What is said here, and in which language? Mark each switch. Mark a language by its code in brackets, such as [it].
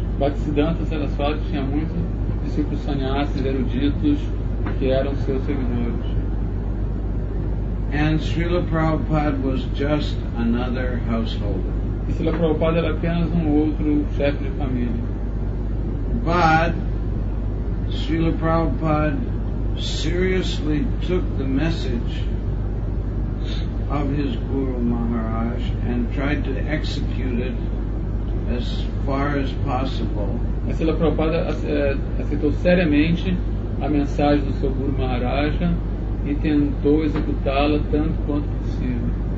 [pt] Bhaktisiddhanta Sarasvati tinha muitos discípulos sannyasis eruditos que eram seus seguidores. [en] And Srila Prabhupada was just another householder. [pt] Srila Prabhupada era apenas outro chefe de família. [en] But Srila Prabhupada seriously took the message of his Guru Maharaj and tried to execute it as far as possible. [pt] Srila Prabhupada aceitou seriamente a mensagem do seu Guru Maharaj e tentou executá-la tanto quanto possível.